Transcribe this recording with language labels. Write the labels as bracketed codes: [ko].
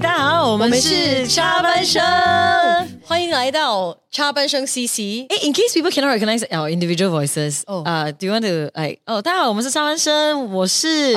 [zh] 大家好，我们是插班生，欢迎来到插班生 CC。 [en] In case people cannot recognize our individual voices, do you want to like? [zh] Oh, 大家好，我们是插班生，我是